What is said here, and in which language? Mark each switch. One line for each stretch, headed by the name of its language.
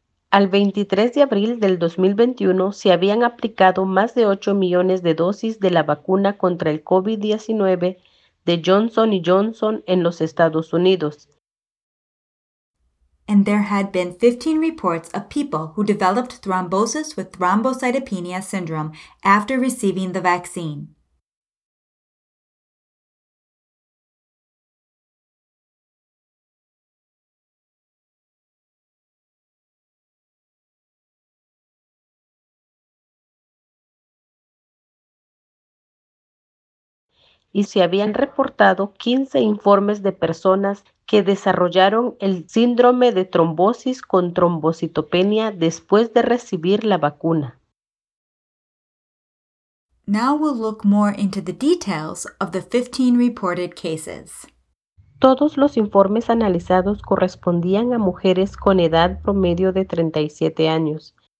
Spanish: Al 23 de abril del 2021 se habían aplicado más de 8 millones de dosis de la vacuna contra el COVID-19 de Johnson & Johnson en los Estados Unidos.
English: And there had been 15 reports of people who developed thrombosis with thrombocytopenia syndrome after receiving the vaccine.
Spanish: y se habían reportado 15 informes de personas que desarrollaron el síndrome de trombosis con trombocitopenia después de recibir la vacuna.
English: Now we'll look more into the details of the 15 reported cases.
Spanish: Todos los informes analizados correspondían a mujeres con edad promedio de 37 años.